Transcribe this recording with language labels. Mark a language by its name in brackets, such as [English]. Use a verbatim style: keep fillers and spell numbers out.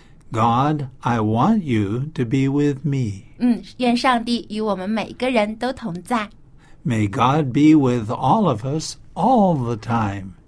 [English] God, I want you to be with me. [Chinese] 嗯，愿上帝与我们每个人都同在。 [English] May God be with all of us all the time.